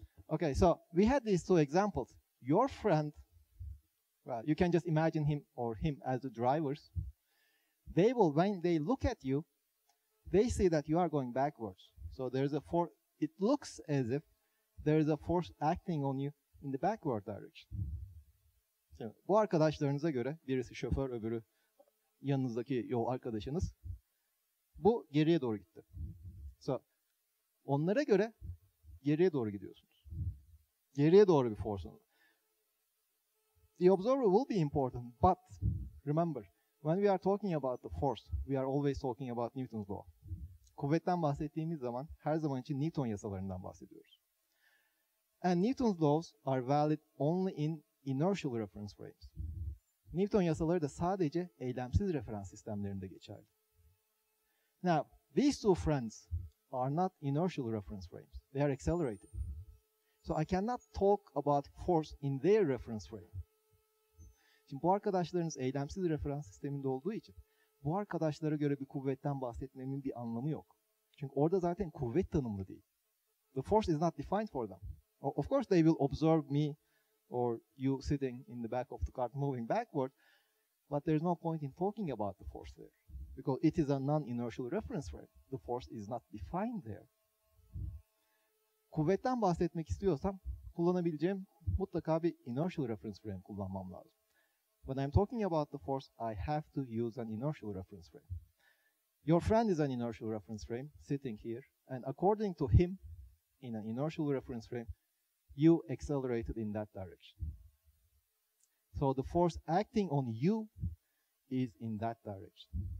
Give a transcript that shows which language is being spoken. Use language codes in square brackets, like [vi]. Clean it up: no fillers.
[en] Okay, so we had these two examples. Your friend, well, you can just imagine him or him as the drivers. They will, when they look at you, they see that you are going backwards. So there's a force, it looks as if there is a force acting on you in the backward direction. [tr] So, bu arkadaşlarınıza göre, birisi şoför, öbürü yanınızdaki yol arkadaşınız, bu geriye doğru gitti. So, onlara göre geriye doğru gidiyorsunuz. Geriye doğru bir force. [en] The observer will be important, but remember, when we are talking about the force, we are always talking about Newton's law. [tr] Kuvvetten bahsettiğimiz zaman, her zaman için Newton yasalarından bahsediyoruz. [en] And Newton's laws are valid only in inertial reference frames. [tr] Newton yasaları da sadece eylemsiz referans sistemlerinde geçerli. [en] Now, these two friends are not inertial reference frames. They are accelerated. So I cannot talk about force in their reference frame. [tr] Şimdi bu arkadaşlarınız eylemsiz referans sisteminde olduğu için bu arkadaşlara göre bir kuvvetten bahsetmemin bir anlamı yok. Çünkü orada zaten kuvvet tanımlı değil. [en] The force is not defined for them. Of course they will observe me or you sitting in the back of the car moving backward, but there is no point in talking about the force there because it is a non-inertial reference frame. The force is not defined there. [tr] Kuvvetten bahsetmek istiyorsam kullanabileceğim mutlaka bir inertial reference frame kullanmam lazım. [en] When I'm talking about the force, I have to use an inertial reference frame. Your friend is an inertial reference frame sitting here, and according to him, in an inertial reference frame, you accelerated in that direction. So the force acting on you is in that direction.